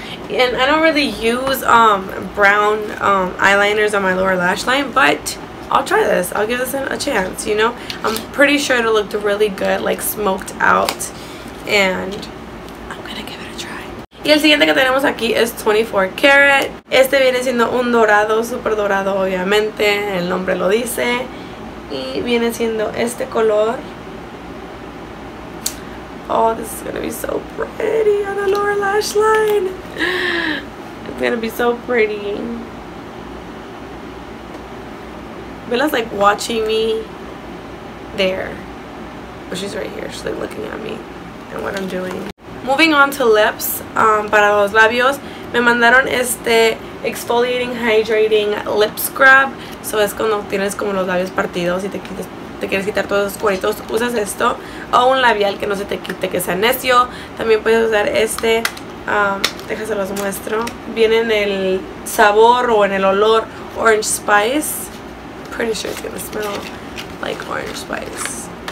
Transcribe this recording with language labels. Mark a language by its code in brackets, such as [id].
[en] And I don't really use brown eyeliners on my lower lash line, but I'll try this. I'll give this a chance, you know? I'm pretty sure it'll look really good, like smoked out. And I'm gonna give it a try. [es] Y el siguiente que tenemos aquí es 24 Karat. Este viene siendo un dorado, super dorado, obviamente. El nombre lo dice. Y viene siendo este color. [en] Oh, this is gonna be so pretty on the lower lash line. It's gonna be so pretty. Bella's like watching me there. But she's right here. She's like looking at me and what I'm doing. Moving on to lips. [es] Para los labios, me mandaron este exfoliating hydrating lip scrub. So es cuando tienes como los labios partidos y te quieres quitar todos los cueritos. Usas esto. O un labial que no se te quite, que sea necio. También puedes usar este. Déjase los muestro. Viene en el sabor o en el olor Orange Spice. [en] Pretty sure it's gonna smell like orange spice.